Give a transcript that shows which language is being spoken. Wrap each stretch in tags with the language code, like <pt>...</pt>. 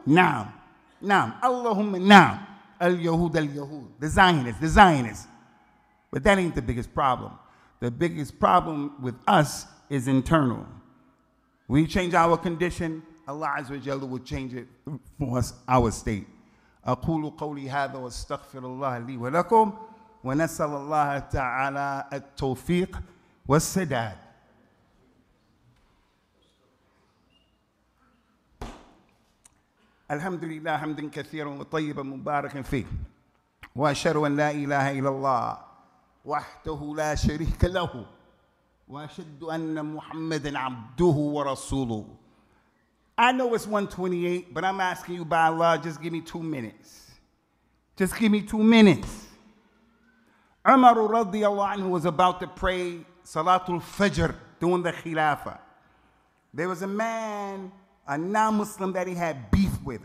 <ar>Naam, naam, Allahumma naam. Al-Yahud, Al-Yahud.</ar> <en>The Zionists. But that ain't the biggest problem. The biggest problem with us is internal. We change our condition, Allah Azza wa Jalla will change it for us, our state.</en> <ar>أقول قولي هذا واستغفر الله لي ولكم ونسأل الله تعالى التوفيق والسداد. الحمد لله حمدا كثيرا وطيبا مباركا فيه وأشهد أن لا إله إلا الله وحده لا شريك له وأشهد أن محمدا عبده ورسوله.</ar> <en>I know it's 1:28, but I'm asking you by Allah, just give me 2 minutes. Just give me 2 minutes. Umar radiallahu anhu was about to pray Salatul Fajr during the Khilafah. There was a man, a non-Muslim that he had beef with.</en>